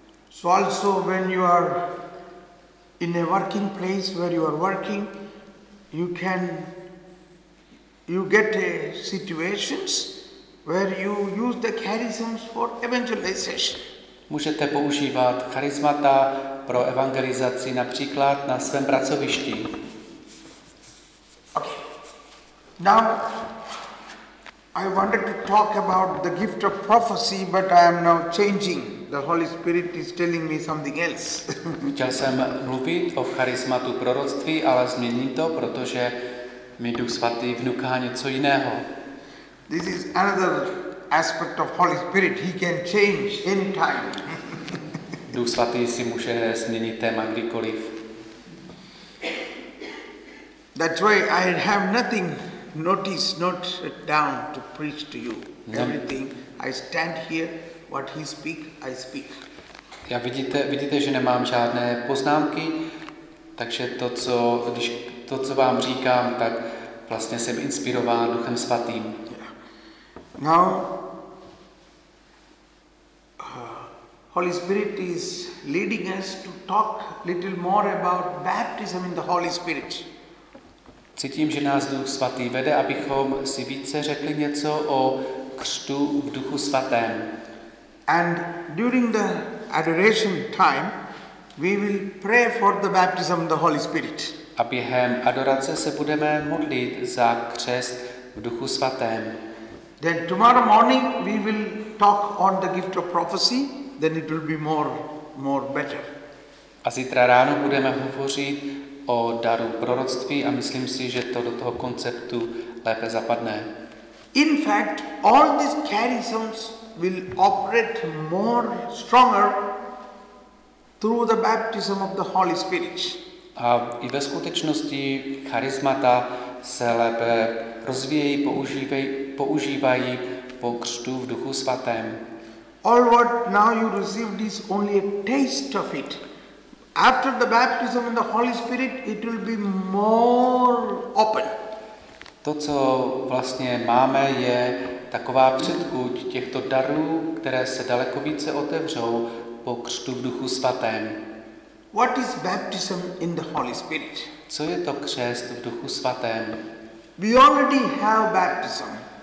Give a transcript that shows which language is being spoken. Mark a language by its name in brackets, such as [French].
[English] So also when you are in a working place where you are working, you get situations where you use the charisms for evangelization. [Czech] Můžete používat charismata pro evangelizaci, například na svém pracovišti. [English] Okay. Now I wanted to talk about the gift of prophecy, but I am now changing. The Holy Spirit is telling me something else. [Czech] Chtěl jsem mluvit o charismatu proroctví, ale změním to, protože mi Duch svatý vnuká něco jiného. [English] This is another aspect of Holy Spirit. He can change any time. [Czech] Duch svatý si může změnit téma kdykoliv. [English] That's why I have nothing noticed, not down to preach to you. Everything I stand here, what he speak, I speak. [Czech] Já vidíte, že nemám žádné poznámky, takže to, co vám říkám, tak vlastně jsem inspirován Duchem svatým. [English] Now, Holy Spirit is leading us to talk little more about baptism in the Holy Spirit. [Czech] Cítím, že nás Duch svatý vede, abychom si více řekli něco o křtu v Duchu svatém. [English] And during the adoration time, we will pray for the baptism of the Holy Spirit. [Czech] A během adorace se budeme modlit za křest v Duchu svatém. [English] Then tomorrow morning we will talk on the gift of prophecy, then it will be more better. [Czech] A zítra ráno budeme hovořit o daru proroctví a myslím si, že to do toho konceptu lépe zapadne. [English] In fact, all these charisms will operate more stronger through the baptism of the Holy Spirit. [Czech] A i ve skutečnosti charismata se lépe rozvíjejí, používají po křtu v Duchu svatém. [English] All what now you received is only a taste of it. After the baptism in the Holy Spirit, it will be more open. [Czech] To, co vlastně máme, je taková předchuť těchto darů, které se daleko více otevřou po křtu v Duchu svatém. [English] What is baptism in the Holy Spirit? [Czech] Co je to křest v Duchu svatém? [English] We already have baptism.